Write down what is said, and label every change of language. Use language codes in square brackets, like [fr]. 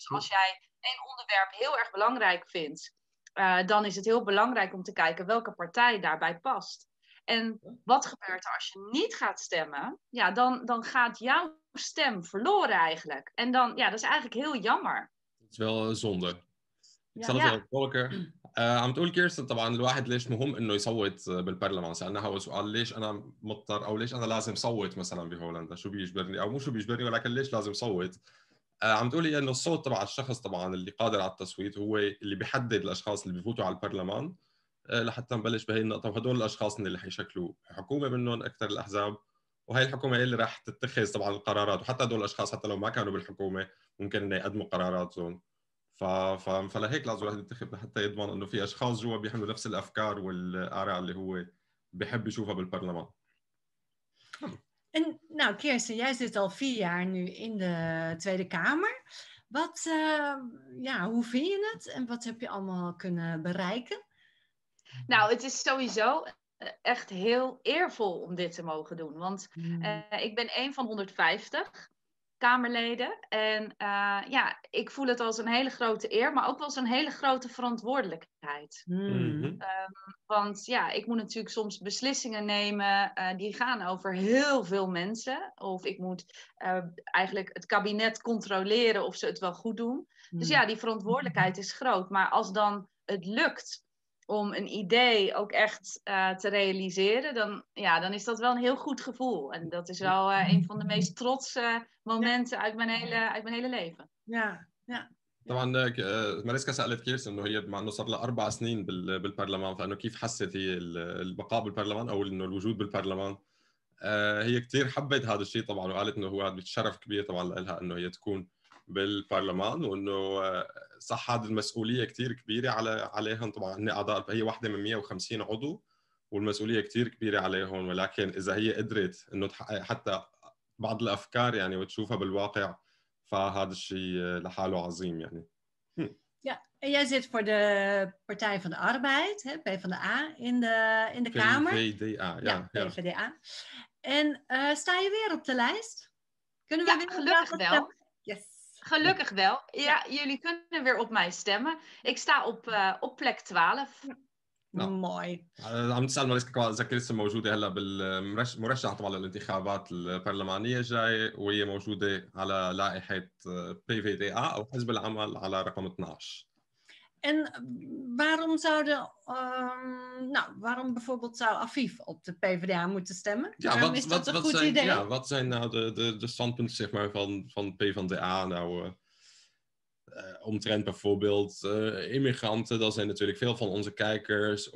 [nl] Dus als jij één onderwerp heel erg belangrijk vindt, dan is het heel belangrijk om te kijken welke partij daarbij past. En wat gebeurt er als je niet gaat stemmen? Ja, dan gaat jouw stem verloren eigenlijk. En dan, ja, dat is eigenlijk heel jammer. Het is wel zonde. Ik zal het wel tolken. [ar] عم تقول كيرستن طبعا الواحد ليش مهم انه يصوت بالبرلمان سألنا هو سؤال ليش انا مضطر او ليش انا لازم صوت مثلا بهولندا شو بيجبرني او مو شو بيجبرني ولكن ليش لازم صوت عم تقول لي انه الصوت تبع الشخص طبعا اللي قادر على التصويت هو اللي بيحدد الاشخاص اللي بيفوتوا على البرلمان لحتى نبلش بهي النقطة وهدول الأشخاص اللي حيشكلوا حكومة منهم أكثر الأحزاب وهي الحكومة اللي راح تتخذ طبعا القرارات وحتى هدول الأشخاص حتى لو ما كانوا بالحكومة ممكن إنه يقدموا قراراتهم فلهيك لازم الواحد ينتخب لحتى يضمن إنه في أشخاص جوا بيحملوا نفس الأفكار والآراء اللي هو بيحب يشوفها بالبرلمان. نعم كيرسي [nl] jij zit al 4 jaar nu in de Tweede Kamer. Wat hoe vind je het en wat heb je allemaal kunnen bereiken? Nou, het is sowieso echt heel eervol om dit te mogen doen. Want ik ben één van 150 Kamerleden. En ik voel het als een hele grote eer, maar ook wel als een hele grote verantwoordelijkheid. Mm-hmm. Want ja, ik moet natuurlijk soms beslissingen nemen die gaan over heel veel mensen. Of ik moet eigenlijk het kabinet controleren of ze het wel goed doen. Mm-hmm. Dus ja, die verantwoordelijkheid is groot. Maar als dan het lukt om een idee ook echt te realiseren, dan is dat wel een heel goed gevoel. En dat is wel een van de meest trotse momenten uit mijn hele leven. Ja, ja. [ar] Mariska سألت كيرسن انه هي مع انه صار لها 4 سنين بالبرلمان فانه كيف حست هي البقاء بالبرلمان او انه الوجود بالبرلمان. هي كثير حبت هذا الشيء طبعا وقالت انه هو شرف كبير طبعا لها انه هي تكون بالبرلمان وانه صح هذه المسؤولية كتير كبيرة على عليهم طبعا هن أعضاء هي واحدة من 150 عضو والمسؤولية كتير كبيرة عليهم ولكن إذا هي قدرت انه تحقق حتى بعض الأفكار يعني وتشوفها بالواقع فهذا الشيء لحاله عظيم يعني. [nl] Ja, jij zit voor de Partij van de Arbeid, hè, PvdA, in de Kamer. PvdA, ja. Ja, PvdA. En sta je weer op de lijst? Kunnen we ja, weer gelukkig wel. Yes. Gelukkig wel. Ja, ja, jullie kunnen weer op mij stemmen. Ik sta op plek 12. Ja. Mooi. [ar] عم تسأل مريسكا كمان إذا كريسة موجودة هلا بالمرشح طبعا للانتخابات البرلمانية جاي وهي موجودة على لائحة PVDA أو حزب العمل على رقم 12. [nl] إن waarom zouden waarom bijvoorbeeld zou Afif op de PVDA moeten stemmen? Ja, wat zijn nou de standpunten zeg maar van PVDA nou? Omtrent bijvoorbeeld immigranten, dat zijn natuurlijk veel van onze kijkers.